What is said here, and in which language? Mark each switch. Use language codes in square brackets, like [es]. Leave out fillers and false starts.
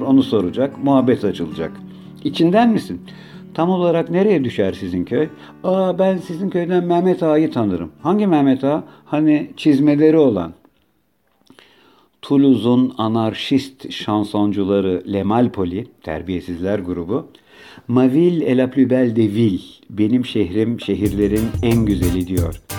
[tr] Onu soracak, muhabbet açılacak. İçinden misin? Tam olarak nereye düşer sizin köy? Aa ben sizin köyden Mehmet Ağa'yı tanırım. Hangi Mehmet Ağa? Hani çizmeleri olan. Toulouse'un anarşist şansoncuları Le Malpoli, terbiyesizler grubu. [fr] Ma ville est la plus belle des villes. [tr] Benim şehrim şehirlerin en güzeli diyor.